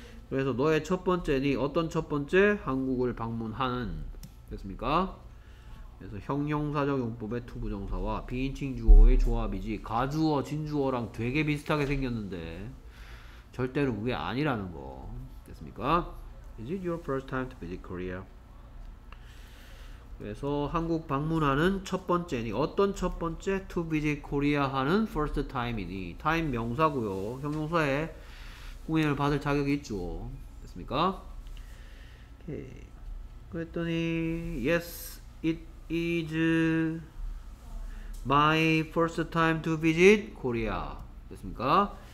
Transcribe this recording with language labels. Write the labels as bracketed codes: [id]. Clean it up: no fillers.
[ko] 그래서 너의 첫 번째니 어떤 첫 번째? 한국을 방문하는. 됐습니까? 그래서 형용사적 용법의 to 부정사와 비인칭 주어의 조합이지 가주어 진주어랑 되게 비슷하게 생겼는데 절대로 그게 아니라는 거. 됐습니까? [en] Is it your first time to visit Korea? [ko] 그래서 한국 방문하는 첫 번째니 어떤 첫 번째? [en] to visit Korea [ko] 하는 first time이니 time 명사고요. 형용사에 공연을 받을 자격이 있죠. 됐습니까? 오케이. 그랬더니 [en] Yes, it is my first time to visit Korea. [ko] 됐습니까?